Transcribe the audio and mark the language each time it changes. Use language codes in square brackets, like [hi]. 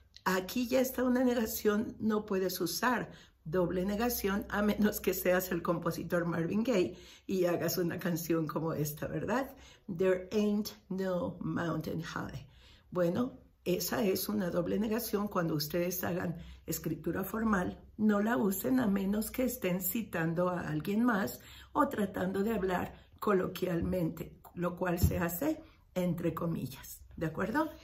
[es] Aquí ya está una negación, no puedes usar doble negación a menos que seas el compositor Marvin Gaye y hagas una canción como esta, ¿verdad? [en] There ain't no mountain high. [es] Bueno, esa es una doble negación. Cuando ustedes hagan escritura formal, no la usen a menos que estén citando a alguien más o tratando de hablar coloquialmente, lo cual se hace entre comillas. ¿De acuerdo?